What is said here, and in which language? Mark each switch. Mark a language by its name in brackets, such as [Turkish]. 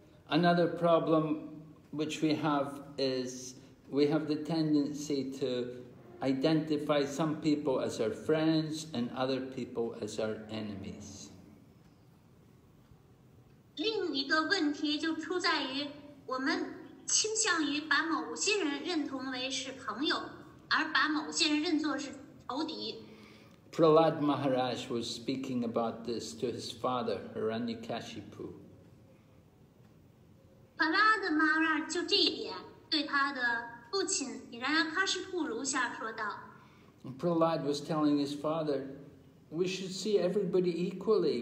[English] Another problem which we have is we have the tendency to identify some people as our friends and other people as our enemies. [Chinese] 另一个问题就出在于我们倾向于把某些人认同为是朋友，而把某些人认作是仇敌。Prahlad [English] Maharaj was speaking about this to his father, Hiranyakashipu. [Chinese] Prahlad Maharaj 就这一点对他的父亲 Hiranyakashipu 如下说道。 [English] Prahlad was telling his father, we should see everybody equally.